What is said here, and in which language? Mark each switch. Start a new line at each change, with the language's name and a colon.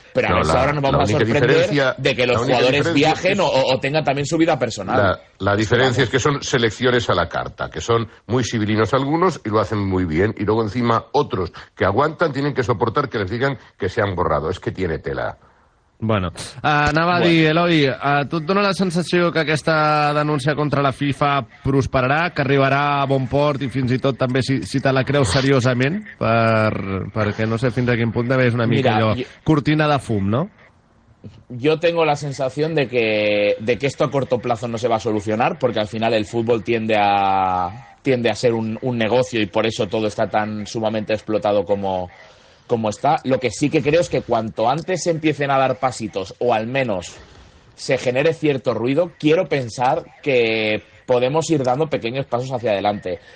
Spanish: Pero a eso ahora nos vamos a sorprender de que los jugadores viajen o tengan también su vida personal. La diferencia es que son selecciones a la carta, que son muy sibilinos algunos y lo hacen muy bien. Y luego encima otros que aguantan tienen que soportar que les digan que se han borrado. Es que tiene tela.
Catalan: Bueno, anava a dir, Eloi, tu et dona la sensació que aquesta denúncia contra la FIFA prosperarà, que arribarà a bon port i fins i tot també si te la creus seriosament, perquè no sé fins a quin punt també és una mica allò,
Spanish: cortina de fum,
Catalan: no?
Spanish: Yo tengo la sensación de que esto a corto plazo no se va a solucionar, porque al final el fútbol tiende a ser un negocio y por eso todo está tan sumamente explotado como está. Lo que sí que creo es que cuanto antes se empiecen a dar pasitos o al menos se genere cierto ruido, quiero pensar que podemos ir dando pequeños pasos hacia adelante.